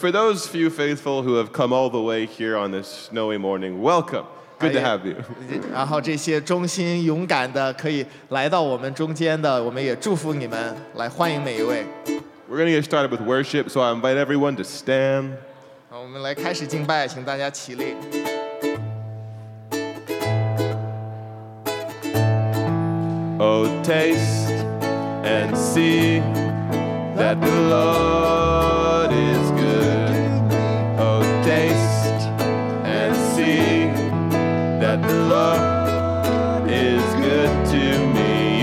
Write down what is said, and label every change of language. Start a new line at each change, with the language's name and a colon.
English: For those few faithful who have come all the way here on this snowy morning, welcome. Good to have you.
Chinese: 然后这些忠心勇敢的可以来到我们中间的，我们也祝福你们，来欢迎每一位。
English: We're going to get started with worship, so I invite everyone to stand.
Chinese: 好，我们来开始敬拜，请大家起立。
English: Oh, taste and see that the Lord is good. Oh, taste and see that the Lord is good to me.